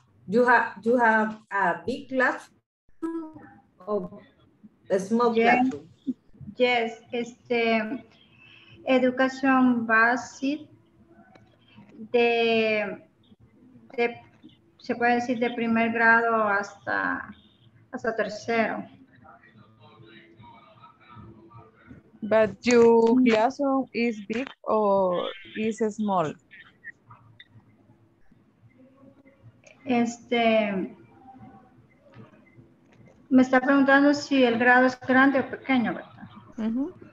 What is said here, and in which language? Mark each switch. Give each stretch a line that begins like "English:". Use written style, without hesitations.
English: Do you have a big classroom or a small classroom?
Spanish: Yes, este, educación básica de se puede decir de primer grado hasta tercero.
English: But your classroom is big or is small?
Spanish: Este, me está preguntando si el grado es grande o pequeño, ¿verdad?